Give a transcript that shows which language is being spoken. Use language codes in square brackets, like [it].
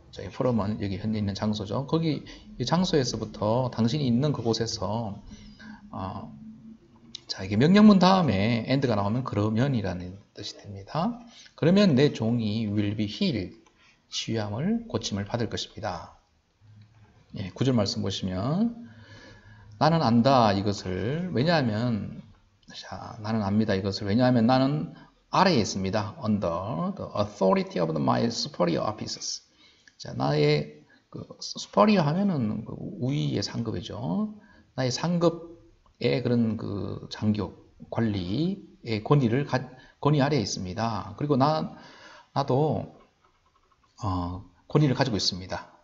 [ko] 저희 포럼은 여기 현재 있는 장소죠. 거기 이 장소에서부터 당신이 있는 그곳에서 자 이게 명령문 다음에 end가 나오면 그러면이라는 뜻이 됩니다. 그러면 내 종이 [en] will be healed, [ko] 치유함을 고침을 받을 것입니다. 예, 구절 말씀 보시면 나는 안다 이것을 왜냐하면 자 나는 압니다 이것을 왜냐하면 나는 아래에 있습니다. [en] Under the authority of my superior officers. [ko] 자, 나의 그 superior 하면은 그 우위의 상급이죠. 나의 상급의 그런 그 장교 관리의 권위 아래에 있습니다. 그리고 나도 권위를 가지고 있습니다.